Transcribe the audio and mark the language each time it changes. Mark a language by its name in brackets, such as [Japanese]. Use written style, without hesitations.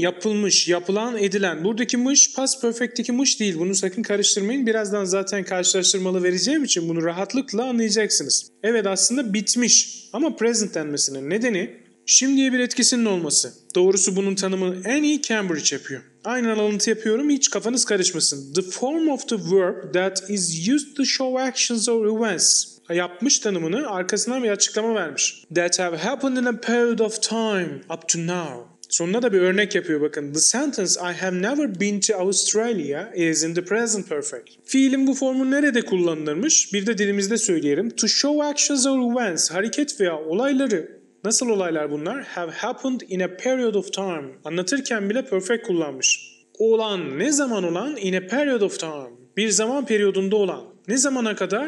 [Turkish] Yapılmış, yapılan, edilen. Buradaki mış, past perfect'teki mış değil. Bunu sakın karıştırmayın. Birazdan zaten karşılaştırmalı vereceğim için bunu rahatlıkla anlayacaksınız. Evet, aslında bitmiş. Ama present denmesinin nedeni şimdiye bir etkisinin olması. Doğrusu bunun tanımını en iyi Cambridge yapıyor. Aynı alıntı yapıyorum, hiç kafanız karışmasın. [English] The form of the verb that is used to show actions or events. [Turkish] Yapmış tanımını, arkasından bir açıklama vermiş. [English] That have happened in a period of time up to now. [Turkish] Sonuna da bir örnek yapıyor bakın. [English] The sentence I have never been to Australia is in the present perfect. [Turkish] Fiilin bu formu nerede kullanılırmış? Bir de dilimizde söyleyelim. [English] To show actions or events, [Turkish] hareket veya olayları. Nasıl olaylar bunlar? [English] Have happened in a period of time. [Turkish] Anlatırken bile perfect kullanmış. Olan, ne zaman olan? [English] In a period of time. [Turkish] Bir zaman periyodunda olan. Ne zamana kadar?